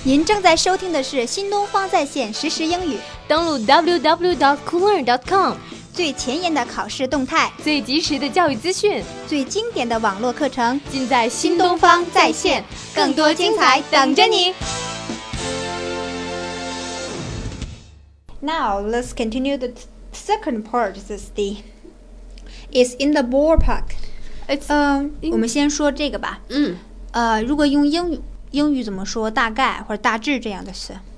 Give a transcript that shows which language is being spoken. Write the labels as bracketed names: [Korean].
[Chinese] 您正在收听的是新东方在线实时英语登录 www.coolearn.com 最前沿的考试动态最及时的教育资讯最经典的网络课程尽在新东方在线更多精彩等着你 [English] Now let's continue the second part Sisti It's in the ballpark It's [Chinese] 我们先说这个吧如果用英语怎么说大概或者大致这样的词